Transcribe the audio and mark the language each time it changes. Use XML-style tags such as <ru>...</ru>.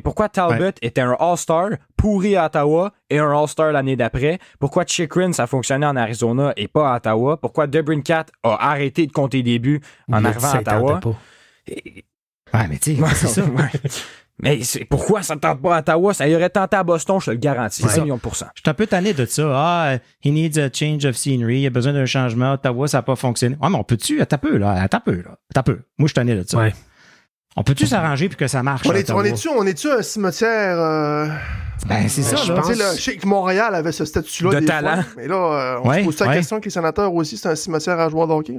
<fr>Pourquoi Talbot était un All-Star pourri à Ottawa et un All-Star l'année d'après? Pourquoi Chychrun, ça fonctionnait en Arizona et pas à Ottawa? Pourquoi Debrincat a arrêté de compter des buts en arrivant à Ottawa? Ouais, mais tu sais, c'est ça. Mais c'est, pourquoi ça ne tente pas à Ottawa? Ça y aurait tenté à Boston, je te le garantis. Ouais. 1 000 000 %. Je suis un peu tanné de ça.</fr> <en>Ah, he needs a change of scenery.</en> <fr>Il a besoin d'un changement. Ottawa, ça n'a pas fonctionné. Ouais, mais on peut-tu? Attends un peu. Moi, je suis tanné de ça. Ouais. On peut-tu s'arranger pour que ça marche? On est-tu un cimetière? Je pense. Je sais que Montréal avait ce statut-là. De des talent. Fois, mais là, on se pose la question que les sénateurs aussi, c'est un cimetière à joueurs d'hockey.</fr>